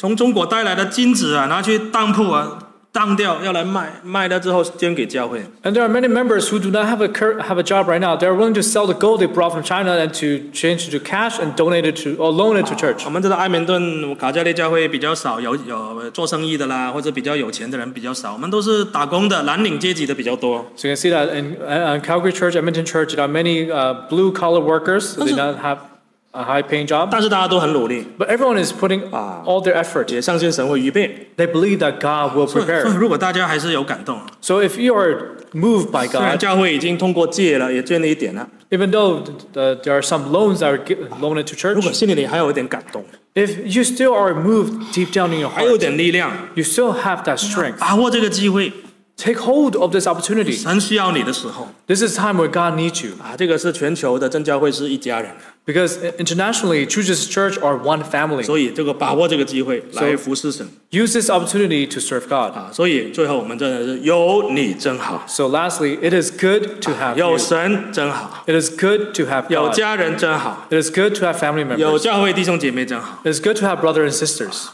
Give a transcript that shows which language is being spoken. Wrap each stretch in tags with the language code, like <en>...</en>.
<zh>有一些弟兄姐妹啊，他没有工作，没有什么钱，他把那个从中国带来的金子啊，拿去当铺啊。当掉要来卖，卖掉之后捐给教会。</zh> <en>And there are many members who do not have a job right now. They are willing to sell the gold they brought from China and to change to cash and donate it to or loan it to church.</en> <zh>我们知道艾明顿卡加利教会比较少有做生意的啦，或者比较有钱的人比较少。我们都是打工的，蓝领阶级的比较多。</zh> <en>So you can see that in Calgary Church, Edmonton Church, there are many blue collar workers. They do not have a high-paying job.</en> <zh>但是大家都很努力。</zh> <en>But everyone is putting all their effort.</en> <zh>也相信神会预备。</zh> <en>They believe that God will prepare.</en> <zh>所以如果大家还是有感动。</zh> <en>So if you are moved by God.</en> <zh>虽然教会已经通过借了，也捐了一点了。</zh> <en>Even though there are some loans that are loaned to church.</en> <zh>如果心里还有一点感动。</zh> <en>If you still are moved deep down in your heart.</en> <zh>还有点力量。</zh> <en>You still have that strength.</en> <zh>把握这个机会。</zh> <en>Take hold of this opportunity.</en> <zh>神需要你的时候,</zh> <en>this is time where God needs you.</en> <zh>这个是全球的真教会是一家人。</zh> <en>Because internationally, Church's Church are one family.</en> <zh>所以这个把握这个机会来服侍神。</zh> <en>Use this opportunity to serve God.</en> <zh>所以最后我们真的是有你真好。</zh> <en>So lastly, it is good to have you.</en> <zh>有神真好。</zh> <en>It is good to have God.</en> <zh>有家人真好。</zh> <en>It is good to have family members.</en> <zh>有教会弟兄姐妹真好。</zh> <en>It is good to have brothers and sisters.</en>